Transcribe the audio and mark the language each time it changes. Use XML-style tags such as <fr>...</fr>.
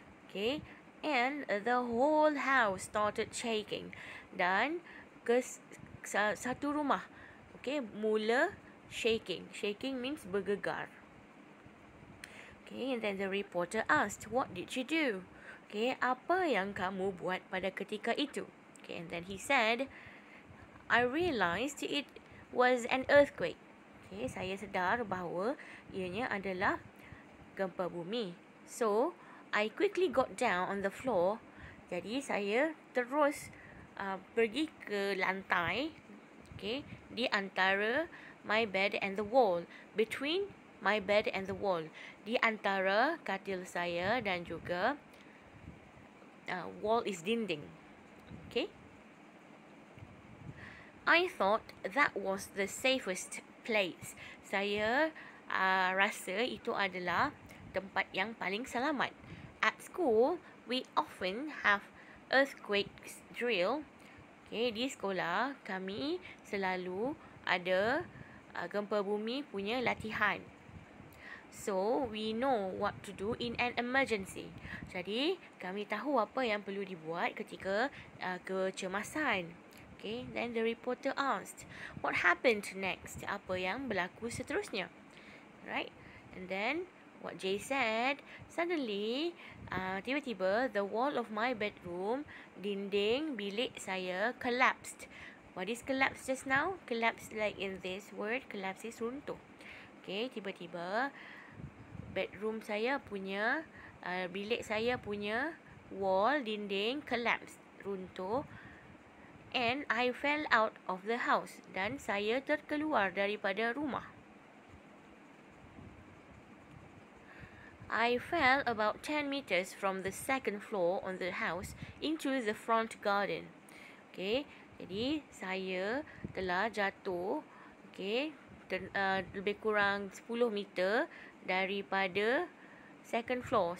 <en>Okay, and the whole house started shaking.</en> <ms>Dan satu rumah. Okay, mula shaking.</ms> <en>Shaking means bergegar. Okay, and then the reporter asked, what did you do?</en> <ms>Okay, apa yang kamu buat pada ketika itu?</ms> <en>Okay, and then he said, I realized it was an earthquake.</en> <ms>Okay, saya sedar bahawa ianya adalah gempa bumi.</ms> <en>So, I quickly got down on the floor.</en> <ms>Jadi, saya terus pergi ke lantai.</ms> <en>Okay,</en> <ms>di antara</ms> <en>my bed and the wall. Between my bed and the wall.</en> <ms>Di antara katil saya dan juga</ms> <en>wall is dinding. Okay. I thought that was the safest place.</en> <ms>Saya rasa itu adalah tempat yang paling selamat.</ms> <en>At school, we often have earthquakes drill.</en> <ms>Okay, di sekolah kami selalu ada gempa bumi punya latihan.</ms> <en>So, we know what to do in an emergency.</en> <ms>Jadi, kami tahu apa yang perlu dibuat ketika kecemasan.</ms> <en>Okay, then the reporter asked, what happened next?</en> <ms>Apa yang berlaku seterusnya?</ms> <en>Right? And then, what Jay said, suddenly, tiba-tiba, the wall of my bedroom,</en> <ms>dinding bilik saya</ms> <en>collapsed. What is collapse just now? Collapse like in this word, collapse is runtuh.</en> <ms>Okay, tiba-tiba, bedroom saya punya, bilik saya punya wall, dinding collapsed, runtuh.</ms> <en>And I fell out of the house.</en> <ms>Dan saya terkeluar daripada rumah.</ms> <en>I fell about 10 meters from the second floor on the house into the front garden.</en> <ms>Okay, jadi saya telah jatuh, okay, lebih kurang 10 meter daripada</ms> <en>second floor.</en>